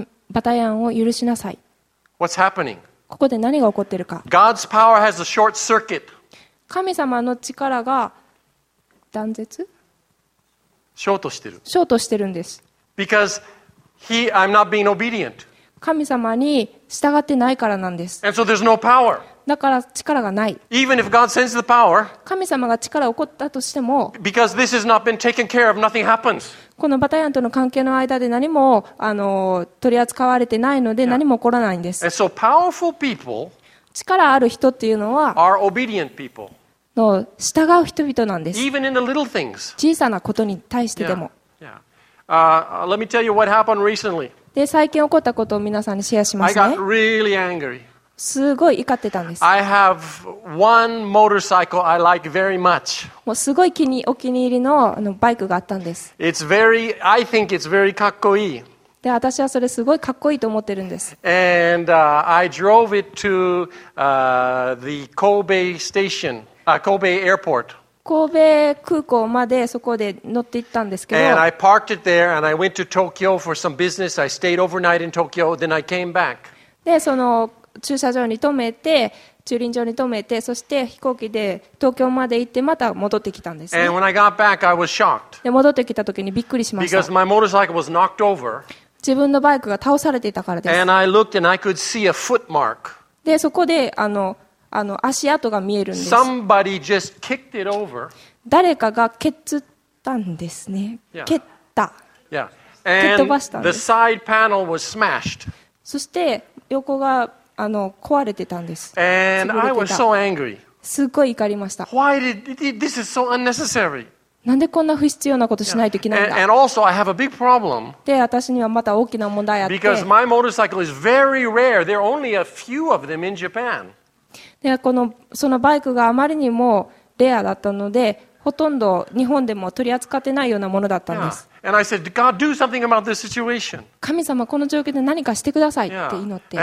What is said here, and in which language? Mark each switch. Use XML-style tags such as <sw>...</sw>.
<ja>バタヤンを許しなさい。</ja> <en>What's happening?</en> <ja>ここで何が起こってるか。</ja> <en>God's power has a short circuit.</en> <ja>神様の力が断絶？ショートしてる。ショートしてるんです。</ja> <en>Because He, I'm not being obedient.</en> <ja>神様に従ってないからなんです。</ja> <en>And so there's no power.</en> <ja>だから力がない。</ja> <en>Even if God sends the power,</en> <ja>神様が力を起こったとしても、</ja> <en>Because this has not been taken care of, nothing happens.</en> <ja>このバタヤンとの関係の間で何も取り扱われてないので何も起こらないんです。</ja> <en>And so powerful people,</en> <ja>力ある人っていうのは、</ja> <en>are obedient people.</en> <ja>の従う人々なんです。</ja> <en>Even in the little things.</en> <ja>小さなことに対してでも。</ja> <en>Yeah. Let me tell you what happened recently.</en> <ja>で、最近起こったことを皆さんにシェアしますね。</ja> <en>I got really angry.</en> <ja>すごい怒ってたんです。</ja> <en>I have one motorcycle I like very much.</en> <ja>もうすごい気にお気に入りのバイクがあったんです。</ja> <en>It's very, I think it's very かっこいい。</en> <ja>で、私はそれすごいかっこいいと思ってるんです。</ja> <en>And I drove it to the Kobe station, Kobe airport.</en> <ja>神戸空港までそこで乗って行ったんですけど、</ja> <en>And I parked it there and I went to Tokyo for some business. I stayed overnight in Tokyo, then I came back.</en> <ja>で、その駐車場に停めて、駐輪場に停めて、そして飛行機で東京まで行ってまた戻ってきたんです、ね。</ja> <en>And when I got back, I was shocked.</en> <ja>で、戻ってきた時にびっくりしました。</ja> <en>Because my motorcycle was knocked over.</en> <ja>自分のバイクが倒されていたからです。</ja> <en>And I looked and I could see a footmark.</en> <ja>で、そこで足跡が見えるんです。</ja> <en>Somebody just kicked it over.</en> <ja>誰かが蹴ったんですね。</ja> <en>Yeah.</en> <ja>蹴った。</ja> <en>Yeah.</en> <ja>蹴っ飛ばしたんです。</ja> <en>The side panel was smashed.</en> <ja>そして横が壊れてたんです。</ja> <en>And I was so angry.</en> <ja>すごい怒りました。</ja> <en>Why did this is so unnecessary?</en> <ja>なんでこんな不必要なことしないといけないんだ。</ja> <en>And also I have a big problem.</en> <ja>で、私にはまた大きな問題あって。</ja> <en>Because my motorcycle is very rare. There are only a few of them in Japan.</en> <ja>でそのバイクがあまりにもレアだったのでほとんど日本でも取り扱ってないようなものだったんです。</ja> <en>Yeah. And I said, God, do something about this situation.</en> <ja>神様この状況で何かしてくださいって祈って。</ja>